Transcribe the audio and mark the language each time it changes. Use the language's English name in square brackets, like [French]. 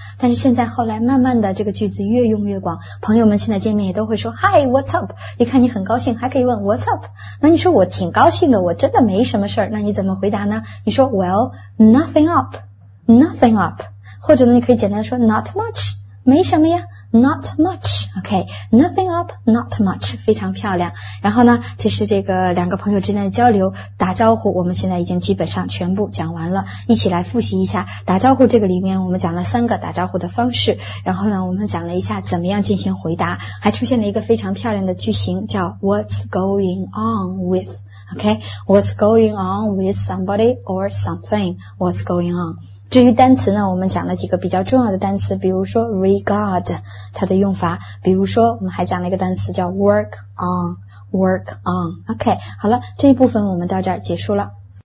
[Chinese] 但是现在后来慢慢的这个句子越用越广，朋友们现在见面也都会说 [English] hi what's up, [Chinese] 一看你很高兴还可以问 [English] what's up。 [Chinese] 那你说我挺高兴的，我真的没什么事儿，那你怎么回答呢？你说 [English] well nothing up, nothing up, [Chinese] 或者呢你可以简单说 [English] not much, [Chinese] 没什么呀。 [English] not much. Okay, nothing up, not much. [Chinese] 非常漂亮。然后呢，这是这个两个朋友之间的交流，打招呼。我们现在已经基本上全部讲完了，一起来复习一下打招呼。这个里面我们讲了三个打招呼的方式，然后呢，我们讲了一下怎么样进行回答，还出现了一个非常漂亮的句型，叫 [English] What's going on with？ Okay, what's going on with somebody or something? What's going on? [Chinese] 至于单词呢，我们讲了几个比较重要的单词，比如说 regard, 它的用法，比如说我们还讲了一个单词叫 work on, work on. Okay, 好了，这一部分我们到这儿结束了。